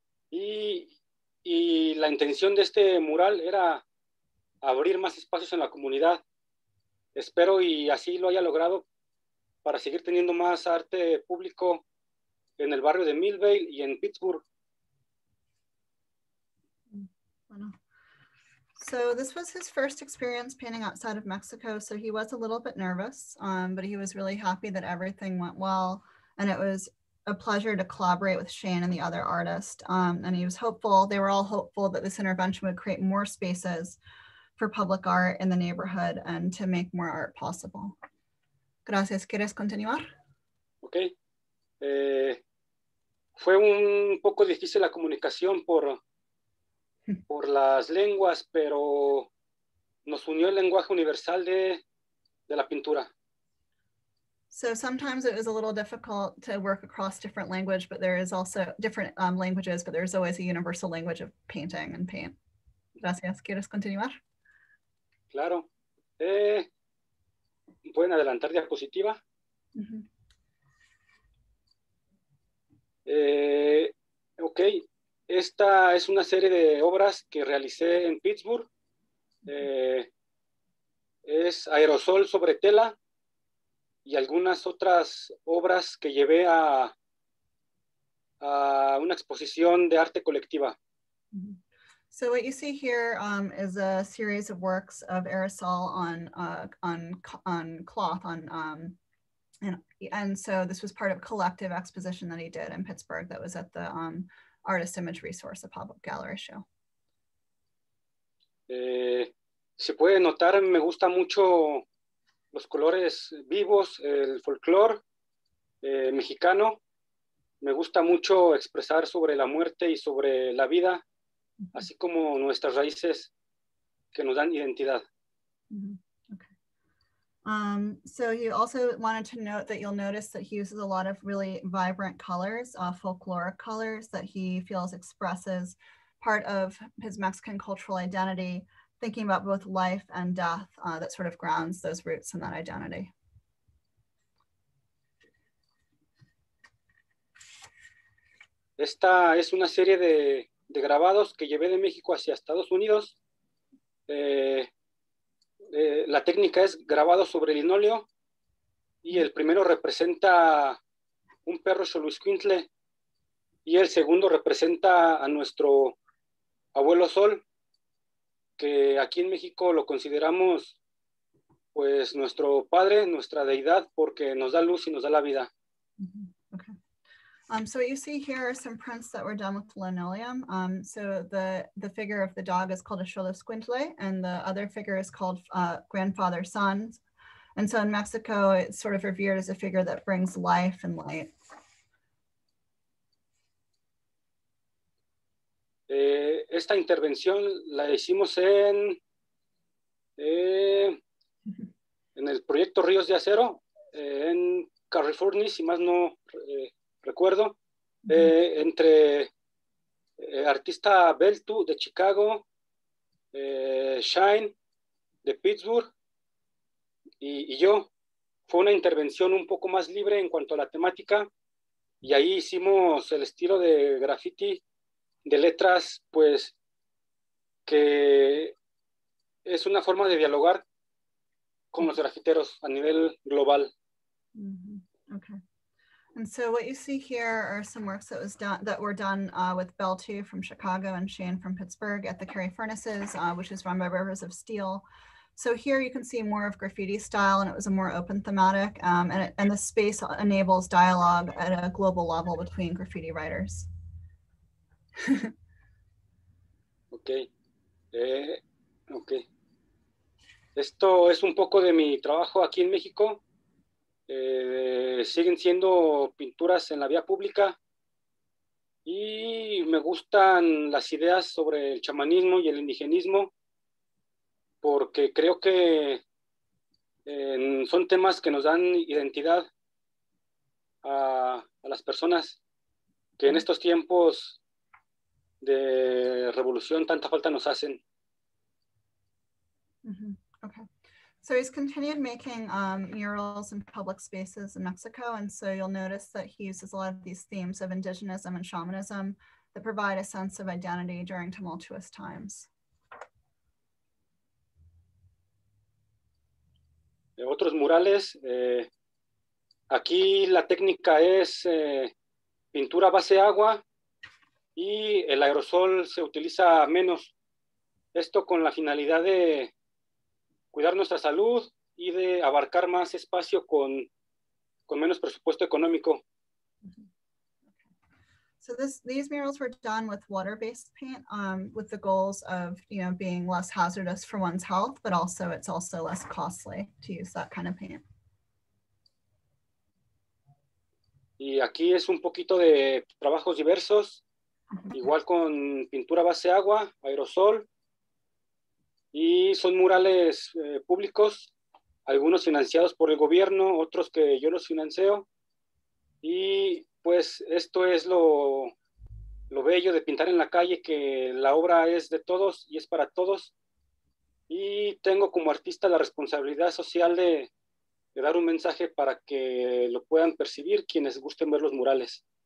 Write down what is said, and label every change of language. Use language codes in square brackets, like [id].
[es] Y la intención de este mural era abrir más espacios en la comunidad. Espero y así lo haya logrado para seguir teniendo más arte público en el barrio de Millvale y en Pittsburgh. Bueno. [en] So this was his first experience painting outside of Mexico. So he was a little bit nervous, but he was really happy that everything went well. And it was a pleasure to collaborate with Shane and the other artist. And he was hopeful, they were all hopeful that this intervention would create more spaces for public art in the neighborhood and to make more art possible. [es] Gracias, ¿quieres continuar? [en] Okay. [es] Fue un poco difícil la comunicación por las lenguas, pero nos unió el lenguaje universal de la pintura. [en] So sometimes it is a little difficult to work across different language, but there is also different languages, but there's always a universal language of painting and paint. [es] Gracias. ¿Quieres continuar? Claro. ¿Pueden adelantar diapositiva? [en] Mm-hmm. Okay. [es] Esta es una serie de obras que realicé en Pittsburgh. Es aerosol sobre tela y algunas otras obras que llevé a una exposición de arte colectiva. [en] So what you see here is a series of works of Marisol on cloth on and so this was part of a collective exposition that he did in Pittsburgh that was at the Artist Image Resource, a pop-up gallery show. [es] Se puede notar, me gusta mucho los colores vivos, el folclore mexicano. Me gusta mucho expresar sobre la muerte y sobre la vida, mm-hmm. así como nuestras raíces que nos dan identidad. [en] Mm-hmm. Okay. So you also wanted to note that you'll notice that he uses a lot of really vibrant colors, folkloric colors that he feels expresses part of his Mexican cultural identity, thinking about both life and death, that sort of grounds those roots in that identity. [es] Esta es una serie de grabados que llevé de México hacia Estados Unidos. La técnica es grabado sobre linóleo y el primero representa un perro xoloitzcuintle y el segundo representa a nuestro abuelo Sol, que aquí en México lo consideramos pues nuestro padre, nuestra deidad, porque nos da luz y nos da la vida. [en] Okay. So what you see here are some prints that were done with linoleum. So the figure of the dog is called a xoloitzcuintle, and the other figure is called grandfather son. And so in Mexico, it's sort of revered as a figure that brings life and light. [es] Esta intervención la hicimos en el proyecto Ríos de Acero, en California, si más no recuerdo, entre artista Beltu de Chicago, Shine de Pittsburgh y yo. Fue una intervención un poco más libre en cuanto a la temática y ahí hicimos el estilo de graffiti de letras, pues, que es una forma de dialogar con los grafiteros a nivel global. [en] Mm-hmm. Okay. And so what you see here are some works that was done that were done with Beltu from Chicago and Shane from Pittsburgh at the Cary Furnaces, which is run by Rivers of Steel. So here you can see more of graffiti style, and it was a more open thematic, and the space enables dialogue at a global level between graffiti writers. Okay. [es] Esto es un poco de mi trabajo aquí en México. Siguen siendo pinturas en la vía pública y me gustan las ideas sobre el chamanismo y el indigenismo porque creo que son temas que nos dan identidad a las personas que en estos tiempos de revolución tanta falta nos hacen. [en] Mm-hmm. Okay. So he's continued making murals in public spaces in Mexico, and so you'll notice that he uses a lot of these themes of indigenism and shamanism that provide a sense of identity during tumultuous times. [es] Otros murales. Aquí la técnica es pintura base agua, y el aerosol se utiliza menos, esto con la finalidad de cuidar nuestra salud y de abarcar más espacio con menos presupuesto económico. [en] So these murals were done with water-based paint with the goals of, you know, being less hazardous for one's health, but also it's also less costly to use that kind of paint. [es] Y aquí es un poquito de trabajos diversos. Igual con pintura base agua, aerosol, y son murales públicos, algunos financiados por el gobierno, otros que yo los financio, y pues esto es lo bello de pintar en la calle, que la obra es de todos y es para todos, y tengo como artista la responsabilidad social de dar un mensaje para que lo puedan percibir quienes gusten ver los murales.